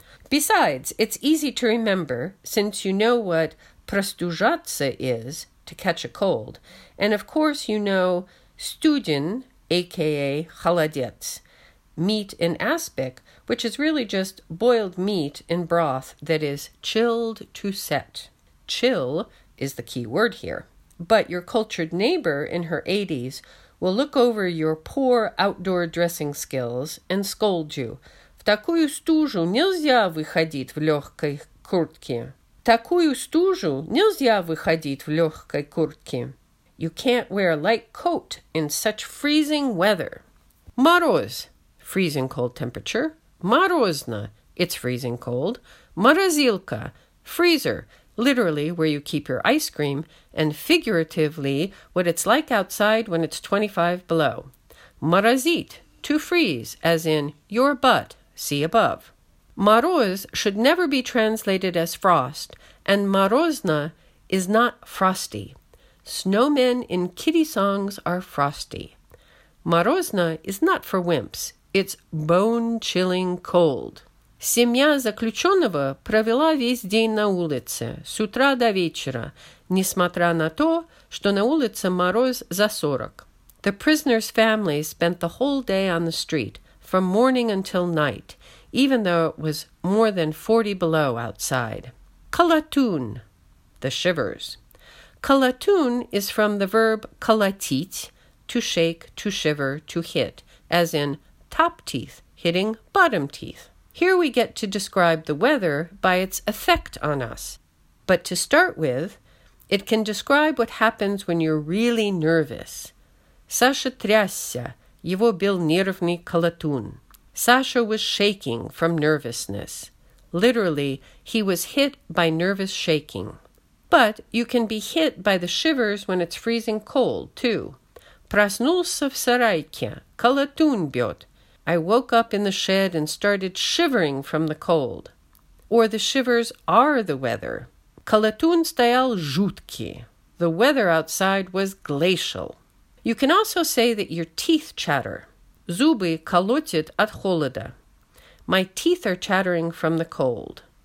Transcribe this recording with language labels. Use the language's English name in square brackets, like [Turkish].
[English] Besides, it's easy to remember since you know what простужаться is, to catch a cold, and of course you know студен, aka холодец, meat in aspic, which is really just boiled meat in broth that is chilled to set. Chill is the key word here. But your cultured neighbor in her 80s will look over your poor outdoor dressing skills and scold you. [Russian] В такую стужу нельзя выходить в легкой куртке. Такую стужу нельзя выходить в легкой куртке. [English] You can't wear a light coat in such freezing weather. Мороз, freezing cold temperature. Морозно, it's freezing cold. Морозилка, freezer, literally where you keep your ice cream, and figuratively what it's like outside when it's 25 below. Морозит, to freeze, as in your butt, see above. Мороз should never be translated as frost, and морозно is not frosty. Snowmen in kiddie songs are frosty. Морозно is not for wimps, it's bone-chilling cold. [Russian] Семья заключенного провела весь день на улице, с утра до вечера, несмотря на то, что на улице мороз за 40. [English] The prisoner's family spent the whole day on the street, from morning until night, even though it was more than 40 below outside. Колотун, the shivers. Колотун is from the verb колотить, to shake, to shiver, to hit, as in top teeth, hitting bottom teeth. Here we get to describe the weather by its effect on us. But to start with, it can describe what happens when you're really nervous. [Russian] Саша трясся, его бил нервный колотун. [English] Саша was shaking from nervousness. Literally, he was hit by nervous shaking. But you can be hit by the shivers when it's freezing cold, too. [Russian] Проснулся в сарайке, колотун бьет. [English] I woke up in the shed and started shivering from the cold. Or the shivers are the weather. [Russian] Колотун стоял жуткий. [English] The weather outside was glacial. You can also say that your teeth chatter. [Russian] Зубы колотят от холода. [English] My teeth are chattering from the cold.